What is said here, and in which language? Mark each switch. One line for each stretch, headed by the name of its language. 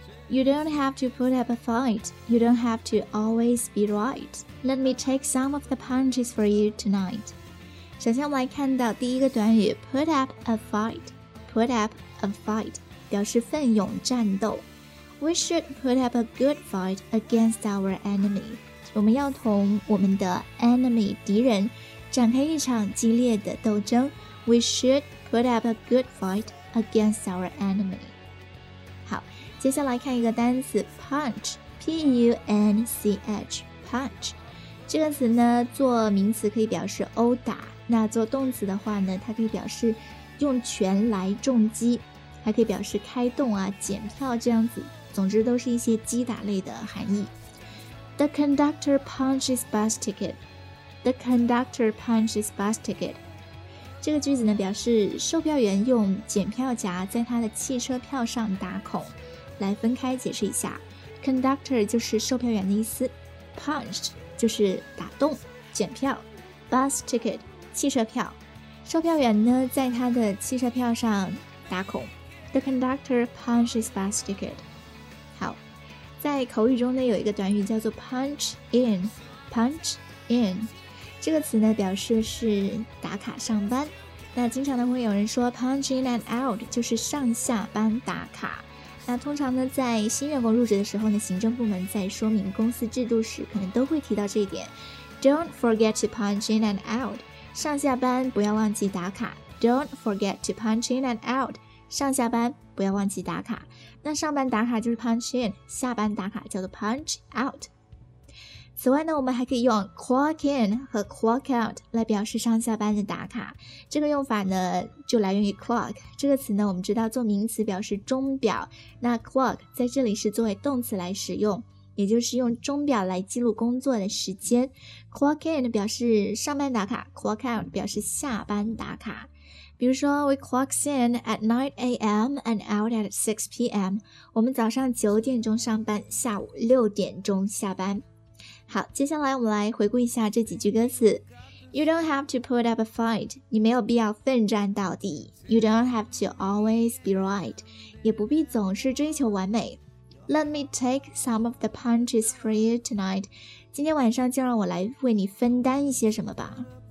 English: You don't have to put up a fight. You don't have to always be right. Let me take some of the punches for you tonight.
Chinese: 首先我们来看到第一个短语
English: put up a fight. Put up a fight
Chinese: 表示奋勇战斗。
English: We should put up a good fight against our enemy.
Chinese: 我们要同我们的 enemy 敌人展开一场激烈的斗争。
English: We should put up a good fight against our enemy.
Chinese: 接下来看一个单词 punch， P-U-N-C-H， punch 这个词呢做名词可以表示殴打，那做动词的话呢它可以表示用拳来重击，还可以表示开动啊、检票这样子，总之都是一些击打类的含义。
English: The conductor punches bus ticket. The conductor punches bus ticket.
Chinese: 这个句子呢表示售票员用检票夹在他的汽车票上打孔。来分开解释一下， conductor 就是售票员的意思， punched 就是打动、检票， bus ticket 汽车票，售票员呢在他的汽车票上打孔，
English: the conductor punches bus ticket。
Chinese: 好，在口语中呢有一个短语叫做 punch in， punch in 这个词呢表示是打卡上班，那经常呢会有人说
English: punch in and out，
Chinese: 就是上下班打卡。那通常呢在新员工入职的时候呢，行政部门在说明公司制度时可能都会提到这一点。
English: Don't forget to punch in and out，
Chinese: 上下班不要忘记打卡。
English: Don't forget to punch in and out，
Chinese: 上下班不要忘记打卡。那上班打卡就是 punch in， 下班打卡叫做 punch out。此外呢我们还可以用 clock in 和 clock out 来表示上下班的打卡，这个用法呢就来源于 clock 这个词呢，我们知道做名词表示钟表，那 clock 在这里是作为动词来使用，也就是用钟表来记录工作的时间。clock in 表示上班打卡， clock out 表示下班打卡。比如说
English: we clocks in at 9 a.m. and out at 6 p.m.
Chinese: 我们早上九点钟上班，下午六点钟下班。好，接下来我们来回顾一下这几句歌词。
English: You don't have to put up a fight,
Chinese: 你没有必要奋战到底。
English: You don't have to always be right,
Chinese: 也不必总是追求完美。
English: Let me take some of the punches for you tonight,
Chinese: 今天晚上就让我来为你分担一些什么吧。